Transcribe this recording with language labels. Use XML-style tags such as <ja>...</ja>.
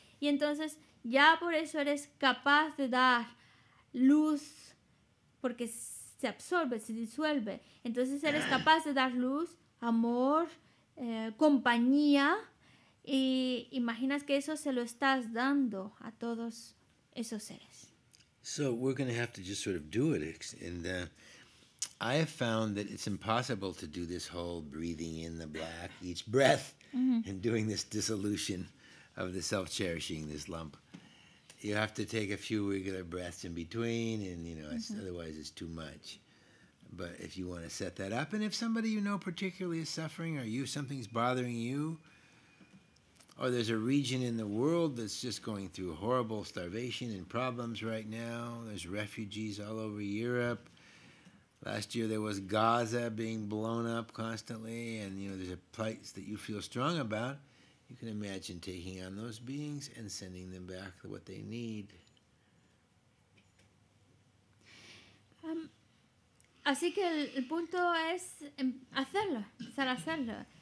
<es>Y entonces ya por eso eres capaz de dar luz, porque se absorbe, se disuelve. Entonces eres capaz de dar luz, amor, compañía, y imaginas que eso se lo estás dando a todos esos seres.</es> <en>So we're going to have to just sort of do it. And I have found that it's impossible to do this whole breathing in the black, each breath, and doing this dissolution of the self-cherishing, this lump. You have to take a few regular breaths in between, and you know, otherwise it's too much. But if you want to set that up, and if somebody you know particularly is suffering, or you, something's bothering you, or there's a region in the world that's just going through horrible starvation and problems right now, there's refugees all over Europe. Last year there was Gaza being blown up constantly, and you know, there's a plight that you feel strong about. You can imagine taking on those beings and sending them back what they need.</en> <es>Así que el punto es hacerlo, empezar a hacerlo.</es>